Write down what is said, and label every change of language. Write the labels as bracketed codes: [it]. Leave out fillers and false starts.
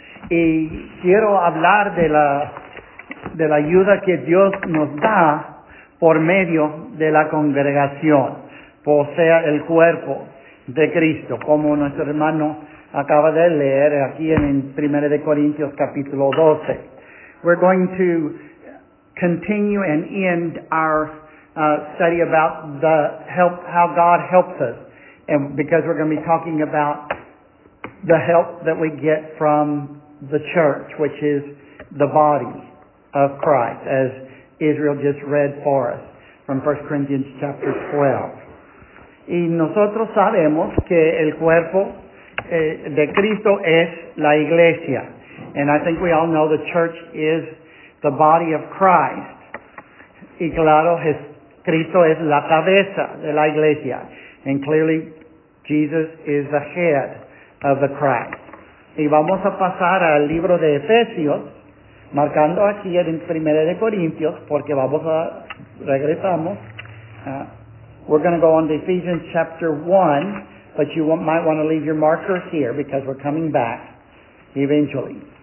[es] Y quiero hablar de la ayuda que Dios nos da por medio de la congregación, o sea, el cuerpo de Cristo, como nuestro hermano acaba de leer aquí en 1 de Corintios capítulo 12. [en] We're going to continue and end our study about the help, how God helps us, and because we're going to be talking about the help that we get from the church, which is the body of Christ, as Israel just read for us from 1 Corinthians chapter 12. [es] Y nosotros sabemos que el cuerpo de Cristo es la iglesia. [en] And I think we all know the church is the body of Christ. [es] Y claro, Cristo es la cabeza de la iglesia. [en] And clearly, Jesus is the head of the Christ. [es] Y vamos a pasar al libro de Efesios, marcando aquí en 1 de Corintios, porque regresamos. [en] We're going to go on to Ephesians chapter 1, but you might want to leave your marker here because we're coming back eventually.